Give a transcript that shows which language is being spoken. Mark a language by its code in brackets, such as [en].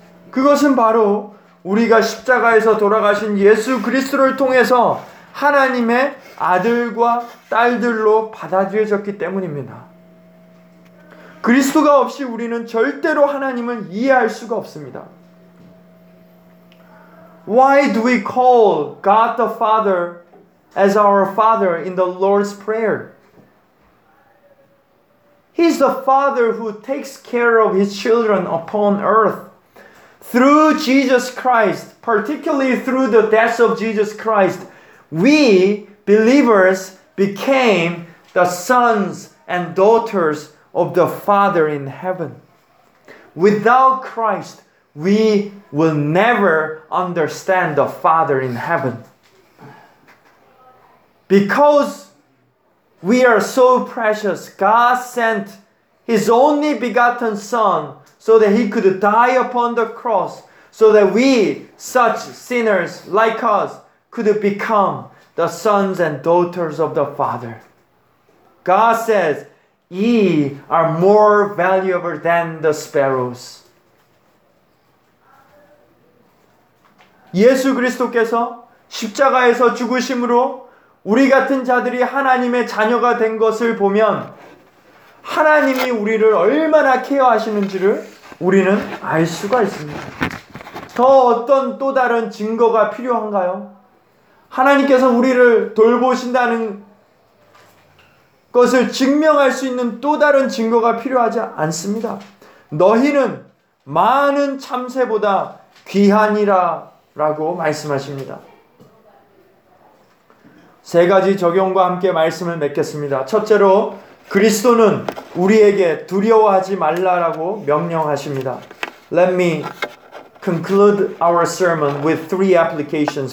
[ko] 그것은 바로 우리가 십자가에서 돌아가신 예수 그리스도를 통해서 하나님의 아들과 딸들로 받아들여졌기 때문입니다. 그리스도가 없이 우리는 절대로 하나님을 이해할 수가 없습니다. [en] Why do we call God the Father as our Father in the Lord's Prayer? He's the Father who takes care of His children upon earth. Through Jesus Christ, particularly through the death of Jesus Christ, we believers became the sons and daughters of the Father in heaven. Without Christ, we will never understand the Father in heaven. Because we are so precious, God sent His only begotten Son so that He could die upon the cross, so that we, such sinners like us, could become the sons and daughters of the Father. God says, ye are more valuable than the sparrows. [ko] 예수 그리스도께서 십자가에서 죽으심으로 우리 같은 자들이 하나님의 자녀가 된 것을 보면 하나님이 우리를 얼마나 케어하시는지를 우리는 알 수가 있습니다. 더 어떤 또 다른 증거가 필요한가요? 하나님께서 우리를 돌보신다는 것을 증명할 수 있는 또 다른 증거가 필요하지 않습니다. 너희는 많은 참새보다 귀하니라라고 말씀하십니다. 세 가지 적용과 함께 말씀을 맺겠습니다. 첫째로 그리스도는 우리에게 두려워하지 말라라고 명령하십니다. [en] Let me conclude our sermon with three applications.